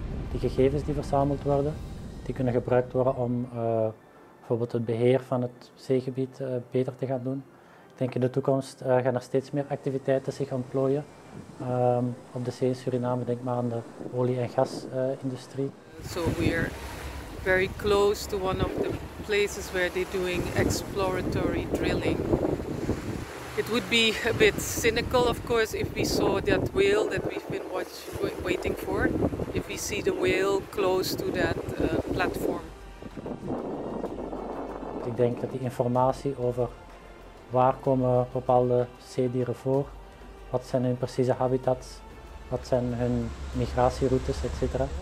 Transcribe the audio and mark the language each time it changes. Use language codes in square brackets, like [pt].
[nl] Die gegevens die verzameld worden, die kunnen gebruikt worden om bijvoorbeeld het beheer van het zeegebied beter te gaan doen. Ik denk in de toekomst gaan er steeds meer activiteiten zich ontplooien op de zee in Suriname. Denk maar aan de olie- en gasindustrie. [en] So we are very close to one of the places where they're doing exploratory drilling. It would be a bit cynical, of course, if we saw that whale that we've been waiting for. If we see the whale close to that platform. [nl] Ik denk dat die informatie over waar komen bepaalde zeedieren voor, wat zijn hun precieze habitats, wat zijn hun migratieroutes, etc.